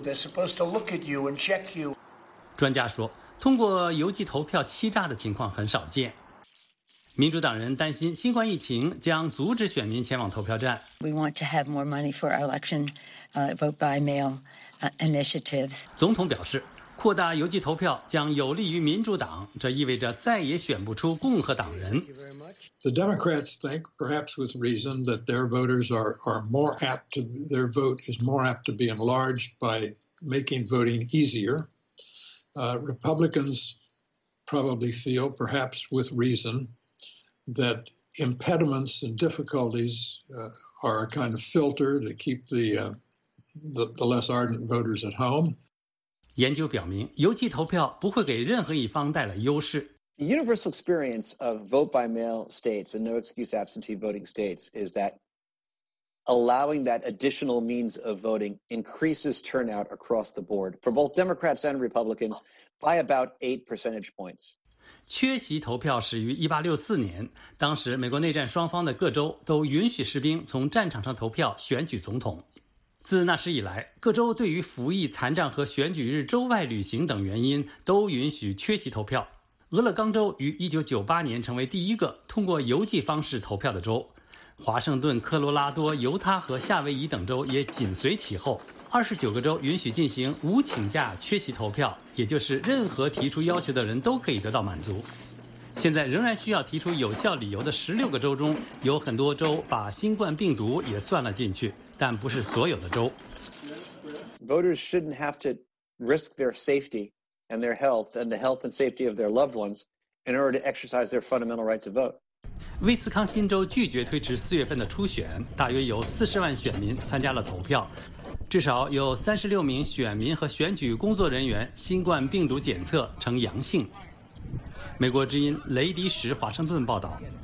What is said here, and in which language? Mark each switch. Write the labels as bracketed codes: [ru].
[en] They're supposed to look at you and check you. [zh] 专家说，通过邮寄投票欺诈的情况很少见。民主党人担心新冠疫情将阻止选民前往投票站。 [en] We want to have more money for our election, vote by mail, initiatives. [zh] 总统表示，扩大邮寄投票将有利于民主党，这意味着再也选不出共和党人。 [en] The Democrats think, perhaps with reason, that their voters are more apt to, their vote is more apt to be enlarged by making voting easier. Republicans probably feel, perhaps with reason, that impediments and difficulties are a kind of filter to keep the less ardent voters at home. [zh] 研究表明，邮寄投票不会给任何一方带来优势。 [en] The universal experience of vote by mail states and no excuse absentee voting states is that allowing that additional means of voting increases turnout across the board for both Democrats and Republicans by about 8 percentage points. [zh] 缺席投票始于1864年，当时美国内战双方的各州都允许士兵从战场上投票选举总统。自那时以来，各州对于服役、残障和选举日州外旅行等原因都允许缺席投票。俄勒冈州于1998年成为第一个通过邮寄方式投票的州，华盛顿、科罗拉多、犹他和夏威夷等州也紧随其后。 29个州允许进行无请假缺席投票，也就是任何提出要求的人都可以得到满足。现在仍然需要提出有效理由的16个州中，有很多州把新冠病毒也算了进去，但不是所有的州。 [en] Voters shouldn't have to risk their safety and their health and the health and safety of their loved ones in order to exercise their fundamental right to vote. [zh] 威斯康辛州拒绝推迟4月份的初选，大约有40万选民参加了投票，至少有36名选民和选举工作人员新冠病毒检测呈阳性。美国之音雷迪什华盛顿报道。